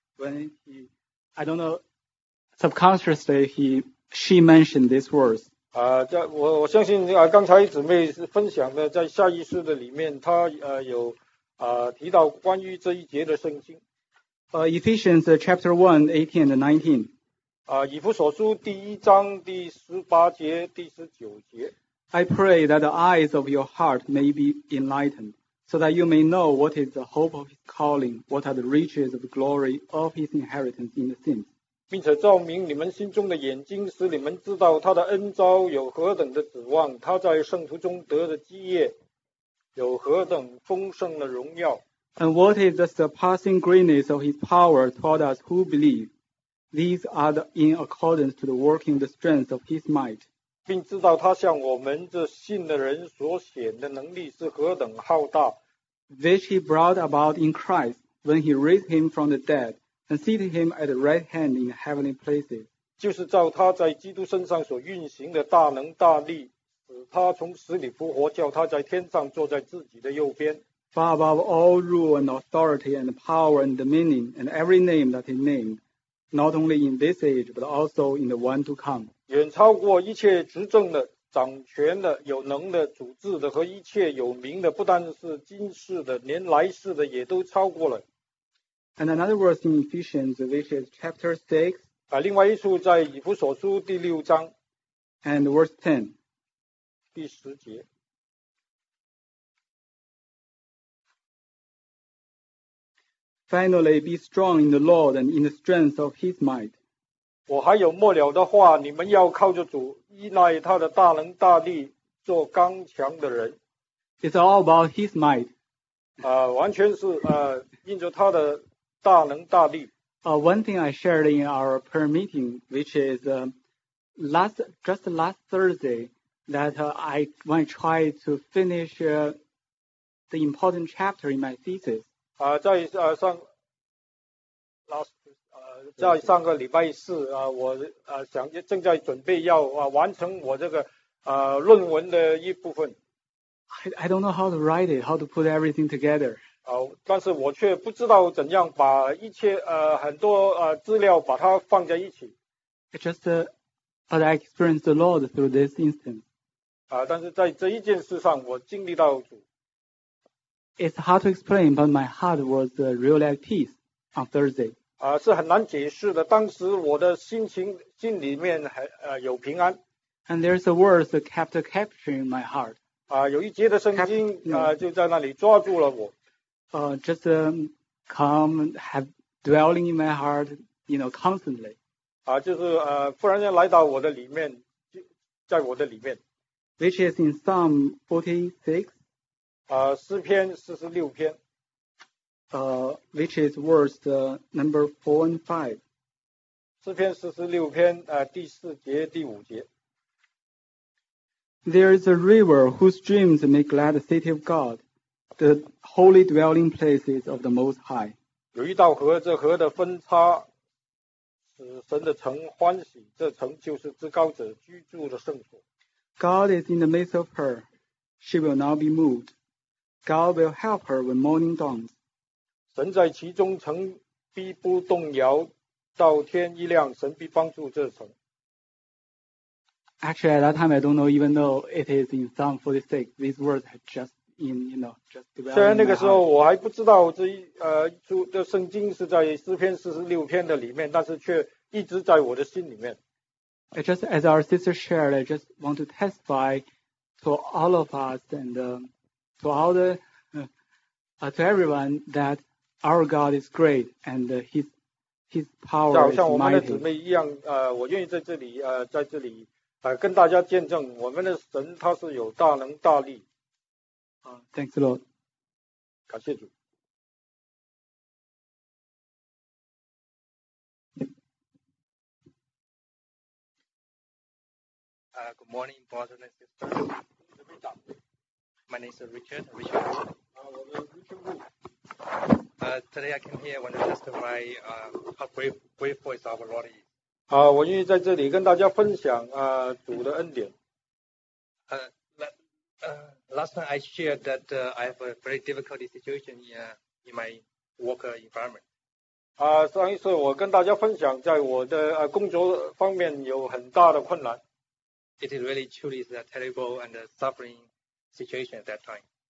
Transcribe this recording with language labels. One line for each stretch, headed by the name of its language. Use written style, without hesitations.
English: When he, I don't know, subconsciously she mentioned these words.
Chinese: 我相信刚才姊妹分享的在下一书的里面，她有提到关于这一节的圣经。
English: Ephesians chapter 1:18-19.
Chinese: 以弗所书第一章第十八节第十九节。
English: I pray that the eyes of your heart may be enlightened. So that you may know what is the hope of his calling, what are the riches of the glory of his inheritance in the saints.
Chinese: 并且照明你们心中的眼睛，使你们知道他的恩召有何等的指望，他在圣徒中得的基业有何等丰盛的荣耀。
English: And what is the surpassing greatness of his power toward us who believe? These are in accordance to the working of the strength of his might.
Chinese: 并知道他向我们这信的人所显的能力是何等浩大
English: which he brought about in Christ when he raised him from the dead and seated him at the right hand in heavenly places
Chinese: 就是照他在基督身上所运行的大能大力使他从死里复活叫他在天上坐在自己的右边
English: far above all rule and authority and power and dominion and every name that he named not only in this age but also in the one to come
Chinese: 远超过一切执政的、掌权的、有能的、主治的和一切有名的，不但是今世的，连来世的也都超过了。
English: And another verse in Ephesians, which is chapter 6.
Chinese: 另外一处在以弗所书第六章。
English: And verse 10.
Chinese: 第十节。
English: Finally, be strong in the Lord and in the strength of his might.
Chinese: 我还有末了的话，你们要靠着主，依赖他的大能大力，做刚强的人。
English: It's all about his might.
Chinese: 完全是印着他的大能大力。
English: One thing I shared in our prayer meeting, which is just last Thursday, that when I tried to finish the important chapter in my thesis.
Chinese: 在上
English: last.
Chinese: 在上个礼拜四我想正在准备要完成我这个论文的一部分。
English: I don't know how to write it, how to put everything together.
Chinese: 但是我却不知道怎样把一切很多资料把它放在一起。
English: But I experienced the Lord through this instance.
Chinese: 但是在这一件事上我经历到主。
English: It's hard to explain, but my heart was really at peace on Thursday.
Chinese: 是很难解释的，当时我的心情心里面有平安。
English: And there's a word that kept capturing my heart.
Chinese: 有一节的圣经就在那里抓住了我。
English: Come have dwelling in my heart, you know, constantly.
Chinese: 就是忽然间来到我的里面，在我的里面。
English: Which is in Psalm 46.
Chinese: 诗篇46篇。
English: Which is words number 4 and 5.
Chinese: 诗篇46篇第四节第五节。
English: There is a river whose streams make glad the city of God, the holy dwelling places of the Most High.
Chinese: 有一道河，这河的分叉使神的城欢喜，这城就是至高者居住的圣所。
English: God is in the midst of her, she will not be moved. God will help her when morning dawns.
Chinese: 神在其中，城必不动摇，到天一亮，神必帮助这城。
English: Actually, at that time, I don't know, even though it is in Psalm 46, these words had just been, you know, just developed.
Chinese: 虽然那个时候我还不知道这这圣经是在诗篇46篇的里面，但是却一直在我的心里面。
English: Just as our sister shared, I just want to testify to all of us and to all the, to everyone that our God is great and his power is mighty.
Chinese: 像我们的姊妹一样，我愿意在这里，在这里。跟大家见证我们的神他是有大能大力。
English: Thanks a lot.
Chinese: 感谢主。
English: Good morning, brothers and sisters. My name is Richard. Today I came here to testify how grateful is our Lord.
Chinese: 我愿意在这里跟大家分享主的恩典。
English: Last time I shared that I have a very difficult situation in my work environment.
Chinese: 上一次我跟大家分享在我的工作方面有很大的困难。
English: It is really truly a terrible and suffering situation at that time.